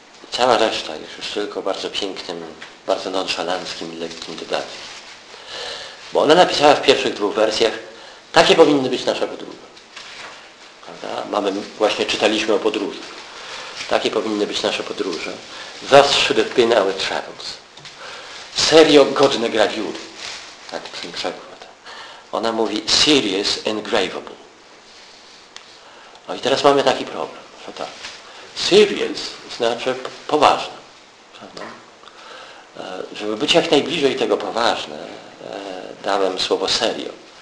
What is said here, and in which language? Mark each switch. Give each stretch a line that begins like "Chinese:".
Polish: Cała reszta jest już tylko bardzo pięknym, bardzo nonszalanckim i lekkim dodatkiem. Bo ona napisała w pierwszych dwóch wersjach, takie powinny być nasze podróże. Prawda? Mamy, właśnie czytaliśmy o podróży. Takie powinny być nasze podróże.
English: Thus should have been our travels.
Polish: Serio godne grawiury. Tak w tym przekład. Ona mówi
English: serious engravable.
Polish: No i teraz mamy taki problem, że tak. Serious znaczy poważne. Prawda? Żeby być jak najbliżej tego poważne, dałem słowo serio.